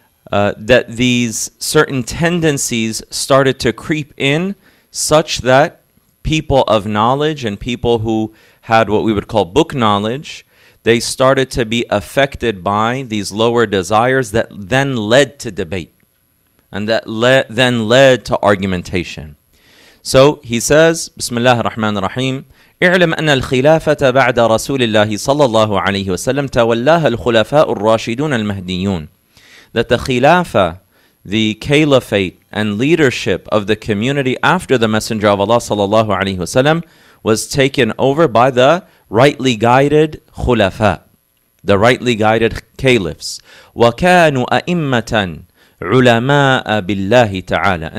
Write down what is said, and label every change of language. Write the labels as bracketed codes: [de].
[en] that these certain tendencies started to creep in such that people of knowledge and people who had what we would call book knowledge, they started to be affected by these lower desires that then led to debate and that then led to argumentation. So he says, [ar] Bismillah ar-Rahman ar-Rahim, اعلم أن الخلافة بعد رسول الله صلى الله عليه وسلم تولاها الخلفاء الراشدون المهديون. [en] That the khilafa, the caliphate and leadership of the community after the Messenger of Allah sallallahu alayhi wasallam was taken over by the rightly guided khulafa, the rightly guided caliphs. [ar] وَكَانُوا أَئِمَّةً عُلَمَاءَ بِاللَّهِ تَعَالَى.